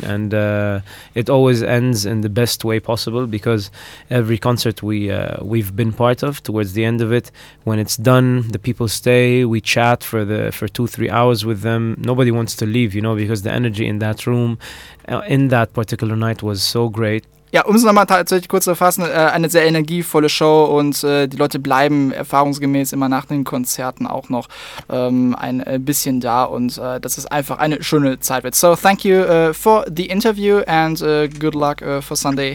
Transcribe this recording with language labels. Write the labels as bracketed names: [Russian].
[English] And it always ends in the best way possible, because every concert we've been part of, towards the end of it, when it's done, the people stay. We chat for 2-3 hours with them. Nobody wants to leave, you know, because the energy in that room in that particular night was so great. [German] Ja, um es nochmal tatsächlich kurz zu fassen, eine sehr energievolle Show und die Leute bleiben erfahrungsgemäß immer nach den Konzerten auch noch ein bisschen da und das ist einfach eine schöne Zeit. [English] So, thank you for the interview and good luck for Sunday.